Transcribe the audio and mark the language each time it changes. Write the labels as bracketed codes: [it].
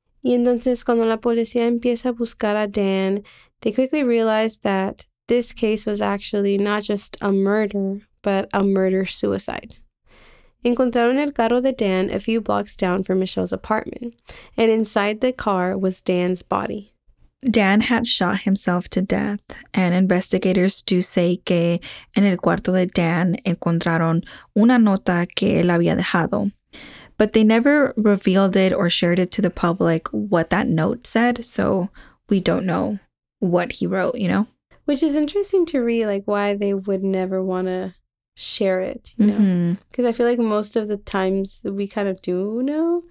[es] Y entonces, cuando la policía empieza a buscar a Dan, [en] they quickly realized that this case was actually not just a murder, but a murder-suicide. [es] Encontraron el carro de Dan [en] a few blocks down from Michelle's apartment, and inside the car was Dan's body. Dan had shot himself to death, and investigators do say [es] que en el cuarto de Dan encontraron una nota que él había dejado. [en] But they never revealed it or shared it to the public what that note said. So we don't know what he wrote, you know? Which is interesting to read, like, why they would never want to share it, you know? Because I feel like most of the times we kind of do know.